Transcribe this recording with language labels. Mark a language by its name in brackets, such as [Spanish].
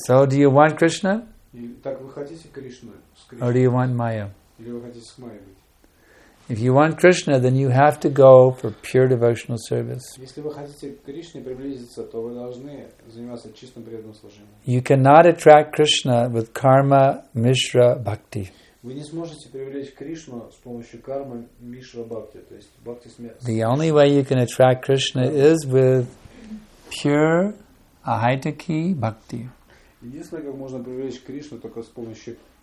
[English] So do you want Krishna? [Russian] И так вы хотите Кришну? [English] Or do you want Maya? [Russian] Или вы хотите с Майей быть? [English] If you want Krishna, then you have to go for pure devotional service. [Russian] Если вы хотите к Кришне приблизиться, то вы должны заниматься чистым преданным служением. [English] You cannot attract Krishna with karma mishra bhakti. [Russian] Вы не сможете привлечь Кришну с помощью кармы мишра бхакти, то есть бхакти смерти. [English] The only way you can attract Krishna is with pure ahaitaki bhakti. [Russian] Единственное, как можно привлечь Кришну, только с помощью.